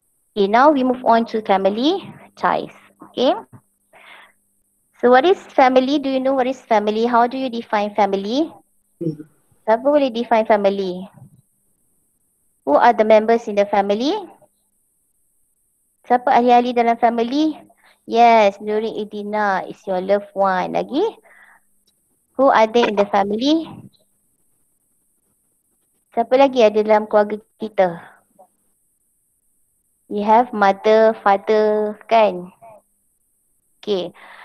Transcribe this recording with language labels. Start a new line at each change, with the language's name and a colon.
English: Okay, now we move on to family ties. Okay, So what is family? Do you know what is family? How do you define family?
Malay: Siapa boleh
English: define family? Who are the members in the family?
Malay: Siapa ahli-ahli dalam family?
English: Yes, Nurin Idina is your loved one. Lagi? Who are they in the family?
Malay: Siapa lagi ada dalam keluarga kita?
English: We have mother, father, kan? Okay.